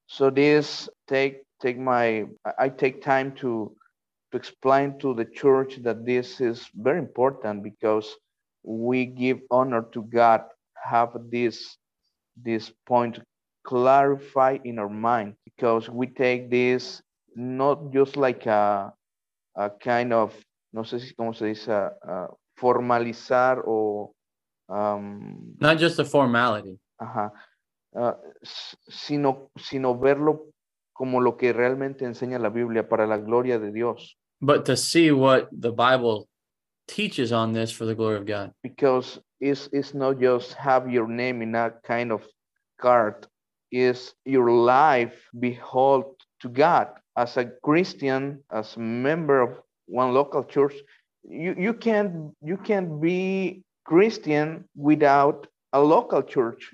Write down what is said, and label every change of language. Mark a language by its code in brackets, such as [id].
[en] So this I take time to explain to the church that this is very important because we give honor to God, have this point clarify in our mind, because we take this not just like a kind of, [es] no sé si cómo se dice, formalizar o... [en] not just a formality. [es] Ajá. Sino verlo como lo que realmente enseña la Biblia para la gloria de Dios. [en] But to see what the Bible teaches on this for the glory of God. Because it's not just have your name in that kind of card. It's your life behold to God. As a Christian, as a member of one local church, you can't be Christian without a local church.